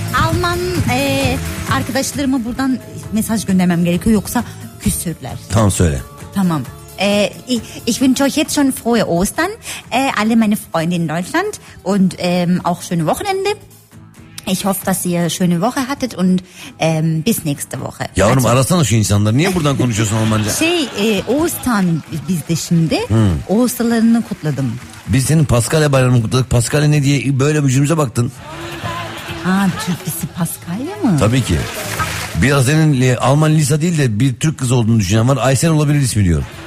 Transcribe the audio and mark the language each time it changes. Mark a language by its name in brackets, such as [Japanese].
[Turkish] Alman arkadaşlarıma buradan mesaj göndermem gerekiyor. Yoksa küsürler. Tamam söyle. Tamam. [German] Ich wünsche euch jetzt schon frohe Ostern. Alle meine Freunde in Deutschland. Und auch schöne Wochenende. Ich hoffe, dass ihr schöne Woche hattet und bis nächste Woche. [Turkish] Yavrum arasana şu insanları. Niye buradan konuşuyorsun Almanca? Ostern bizde şimdi. Hmm. Ostern'larını kutladım. Biz senin Paskalya bayramını kutladık. Paskalya ne diye böyle yüzümüze baktın. Aa, Türkçesi Paskalya mı? Tabii ki. Biraz senin Alman Lisa değil de bir Türk kızı olduğunu düşünen var. Aysel olabilir ismi diyorum.